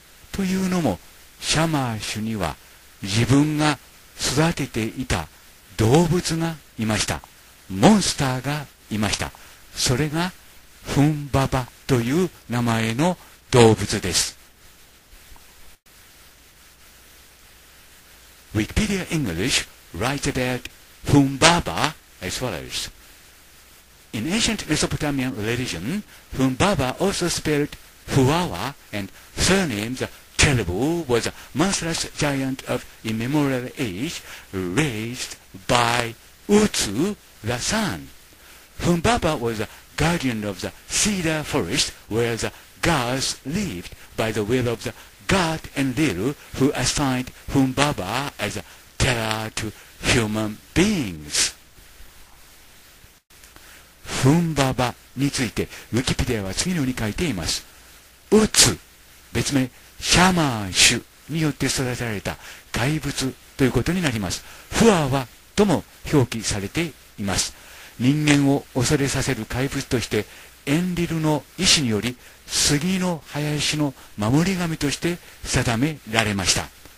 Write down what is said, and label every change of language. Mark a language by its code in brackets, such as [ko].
[ja] というのも、シャマーシュには自分が育てていた動物がいました。モンスターがいました。それがフンババという名前の動物です。 [en] Wikipedia English writes about Fum Baba as follows. In ancient Mesopotamian religion, Fum Baba also spelled Fuawa, and surnamed the Terrible, was a monstrous giant of immemorial age raised by Utsu, the sun. Fum Baba was a guardian of the cedar forest where the gods lived by the will of the god Enlilu, who assigned Fum Baba as a terror to human beings. [ja] フンババについてウィキペディアは次のように書いています。ウツ、別名シャマーシュによって育てられた怪物ということになります。フアワとも表記されています。人間を恐れさせる怪物としてエンリルの意志により杉の林の守り神として定められました。